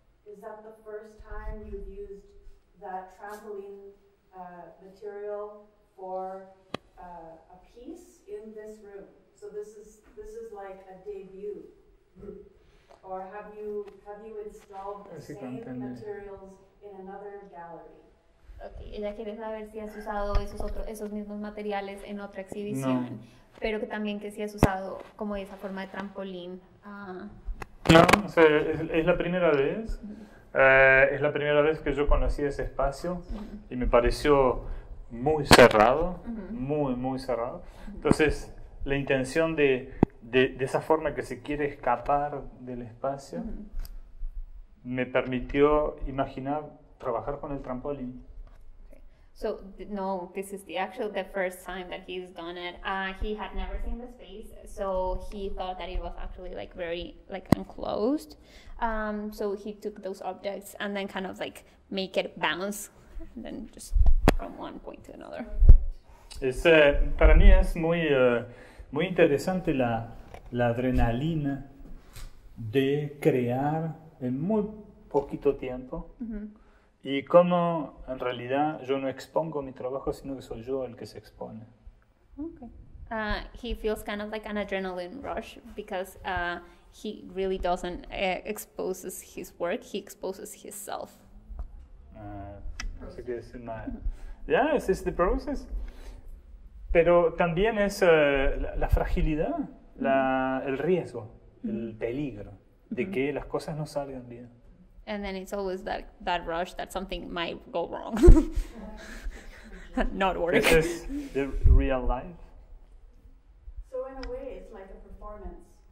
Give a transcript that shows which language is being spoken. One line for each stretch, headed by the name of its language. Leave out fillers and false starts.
English: Is that the first time you've used that trampoline material for a piece in this room? So this is like a debut. Or have you installed the same materials in another gallery?
Spanish: Okay, ella quiere saber si has usado esos otros, esos mismos materiales en otra exhibición, no. Pero que también que si has usado como esa forma de trampolín. No, o sea, es la primera vez. Es la primera vez que yo conocí ese espacio y me pareció muy cerrado, muy, muy cerrado. Entonces, la intención de esa forma que se quiere escapar del espacio me permitió imaginar trabajar con el trampolín.
English: So, no, this is the first time that he's done it. He had never seen the space, so he thought that it was actually like very like enclosed. So he took those objects and then kind of like make it bounce and then just from one point to another.
Spanish: Es, para mí es muy, muy interesante la adrenalina de crear en muy poquito tiempo. Y cómo en realidad yo no expongo mi trabajo, sino que soy yo el que se expone.
English: Okay. He feels kind of like an adrenaline rush because he really doesn't exposes his work, he exposes himself.
Spanish: Así que es en
English: my... Yeah, it's the process.
Spanish: Pero también es la fragilidad, el riesgo, el peligro de que las cosas no salgan bien.
English: And then it's always that rush that something might go wrong, not work. This is the real life. So in a way, it's like a performance.